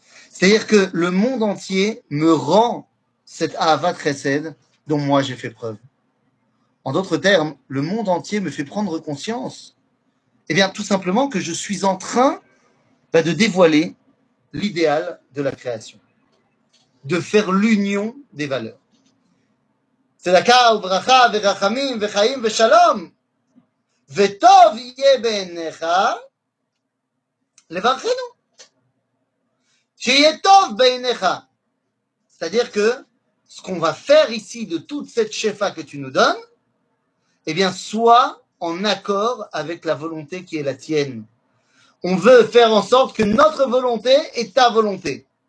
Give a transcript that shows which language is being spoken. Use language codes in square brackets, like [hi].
[fr] C'est-à-dire que le monde entier me rend cette ahava tresed dont moi j'ai fait preuve. En d'autres termes, le monde entier me fait prendre conscience. Eh bien, tout simplement que je suis en train de dévoiler l'idéal de la création. De faire l'union des valeurs. [he] צדקה וברכה ורחמים וחיים ושלום, וטוב יהיה בעיניך לברכנו. שיהיה טוב בעיניך. [fr] C'est-à-dire que ce qu'on va faire ici de toute cette shefa que tu nous donnes, eh bien, soit en accord avec la volonté qui est la tienne. On veut faire en sorte que notre volonté est ta volonté.